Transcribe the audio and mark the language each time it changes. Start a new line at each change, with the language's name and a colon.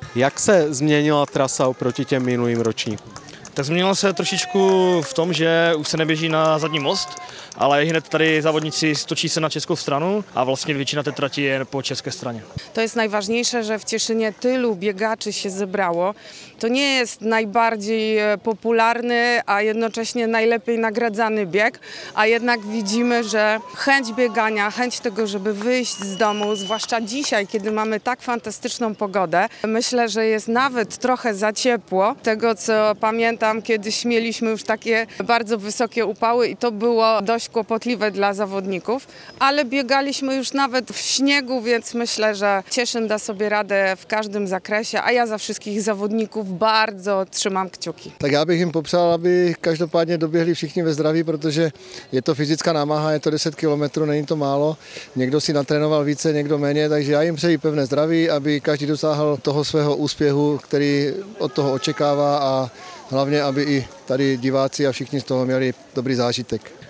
Czech: Jak se změnila trasa oproti těm minulým ročníkům? Tak změnilo se trošičku v tom, že už se neběží na zadní most, ale hned tady závodníci stočí se na českou stranu a vlastně většina té trati je po české straně. To je nejvážnější, že v Těšině tylu běgáči se zebralo.
Polish: To nie jest najbardziej popularny, a jednocześnie najlepiej nagradzany bieg, a jednak widzimy, że chęć biegania, chęć tego, żeby wyjść z domu, zwłaszcza dzisiaj, kiedy mamy tak fantastyczną pogodę, myślę, że jest nawet trochę za ciepło. Tego, co pamiętam, kiedyś mieliśmy już takie bardzo wysokie upały i to było dość kłopotliwe dla zawodników, ale biegaliśmy już nawet w śniegu, więc myślę, że Cieszyn da sobie radę w każdym zakresie, a ja za wszystkich zawodników bardzo trzymam kciuki.
Czech: Tak já bych jim popřál, aby každopádně doběhli všichni ve zdraví, protože je to fyzická námaha, je to 10 kilometrů, není to málo. Někdo si natrénoval více, někdo méně, takže já jim přeji pevné zdraví, aby každý dosáhl toho svého úspěchu, který od toho očekává, a hlavně, aby i tady diváci a všichni z toho měli dobrý zážitek.